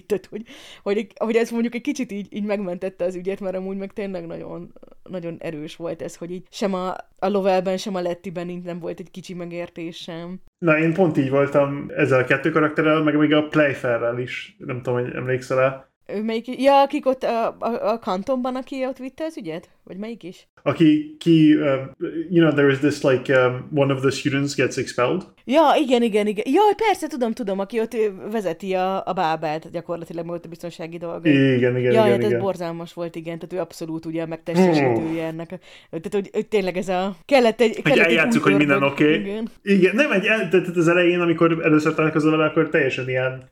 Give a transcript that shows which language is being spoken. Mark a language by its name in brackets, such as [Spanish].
[Hungarian] Tehát, hogy ez mondjuk egy kicsit így megmentette az ügyet, mert amúgy meg tényleg nagyon, nagyon erős volt ez, hogy így sem a Lovellben, sem a Lettiben így nem volt egy kicsi megértés sem. Na, én pont így voltam ezzel a 2 karakterrel, meg még a Playfair-rel is, nem tudom, hogy emlékszel-e. Melyik, ja, akik ott a kantonban, aki ott vitte az ügyet? Vagy melyik is? Aki, ki, [English] you know, there is this, like, one of the students gets expelled. [Hungarian] Ja, igen. Ja, persze, tudom, aki ott vezeti a bábelt, gyakorlatilag volt a biztonsági dolga. Igen. Ja, hát ez borzalmas volt, igen, tehát ő abszolút ugye a megtestesítője ennek. Tehát, hogy tényleg ez a... Kellett egy eljátszuk, hogy minden oké. Okay. Igen, nem, tehát az elején, amikor először találkozol vele, akkor teljesen ilyen...